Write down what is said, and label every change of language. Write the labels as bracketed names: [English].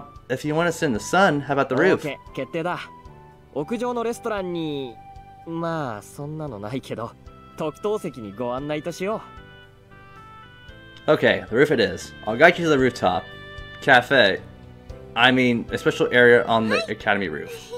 [English] If you wanna sit in the sun, how about the roof? [Japanese] Okay, 決定だ。屋上のレストランに…まあ、そんなのないけど、特等席にご案内としよう。 [English] Okay, the roof it is. I'll guide you to the rooftop. Cafe. I mean, a special area on the academy roof.